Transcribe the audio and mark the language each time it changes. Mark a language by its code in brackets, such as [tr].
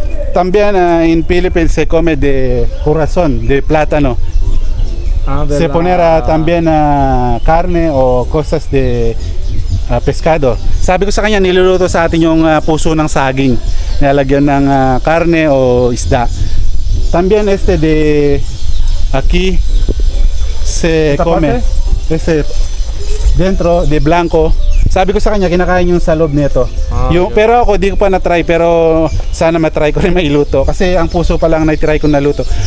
[es] También en Philippines se come de corazón de plátano. Se poner también carne o cosas de pescado. [tl] Sabi ko sa kanya, niluluto sa atin yung puso ng saging. Nilalagyan ng carne o isda. [es] También este de aquí se come. Este, dentro de blanco. [tl] Sabi ko sa kanya, kinakain yung sa loob nito. Pero ako, di ko pa na-try. Pero sana matry ko rin mailuto. Kasi ang puso pa lang na-try ko naluto.